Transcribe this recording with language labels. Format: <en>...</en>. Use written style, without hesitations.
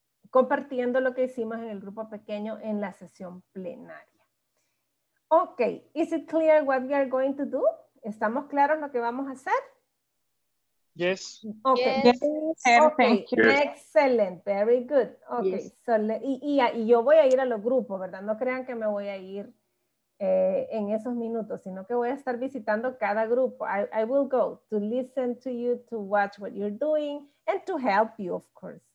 <es>Compartiendo lo que hicimos en el grupo pequeño en la sesión plenaria.</es> <en>Ok, is it clear what we are going to do?</en> <es>¿Estamos claros lo que vamos a hacer?</es> <en>Yes. Ok, yes. Okay. Excellent, very good. Ok, yes.</en> <es>Y yo voy a ir a los grupos, ¿verdad? No crean que me voy a ir en esos minutos, sino que voy a estar visitando cada grupo.</es> <en>I will go to listen to you, to watch what you're doing, and to help you, of course.</en>